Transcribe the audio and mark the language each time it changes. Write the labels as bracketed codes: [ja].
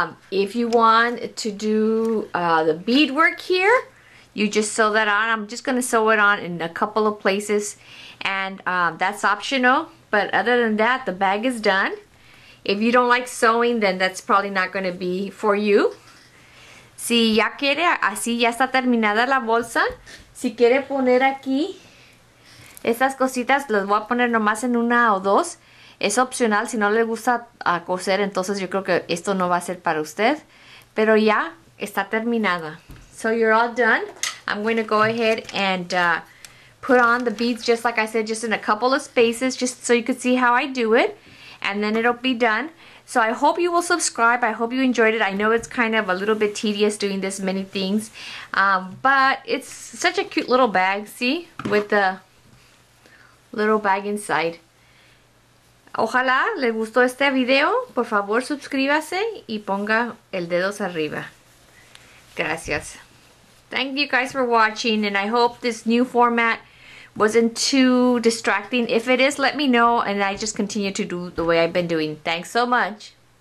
[en] If you want to do the beadwork here, you just sew that on. I'm just gonna sew it on in a couple of places. And that's optional. But other than that, the bag is done. If you don't like sewing, then that's probably not going to be for you. [es] Si ya quiere, así ya está terminada la bolsa. Si quiere poner aquí estas cositas, las voy a poner nomás en una o dos. Es opcional. Si no le gusta coser, entonces yo creo que esto no va a ser para usted. Pero ya está terminada. [en] So you're all done. I'm going to go ahead and put on the beads, just like I said, just in a couple of spaces, just so you could see how I do it, and then it'll be done. So I hope you will subscribe. I hope you enjoyed it. I know it's kind of a little bit tedious doing this many things, but it's such a cute little bag, see, with the little bag inside. [es] Ojalá le gustó este video. Por favor, suscríbase y ponga el dedos arriba. Gracias. [en] Thank you guys for watching, and I hope this new format wasn't too distracting. If it is, let me know, and I just continue to do the way I've been doing. Thanks so much.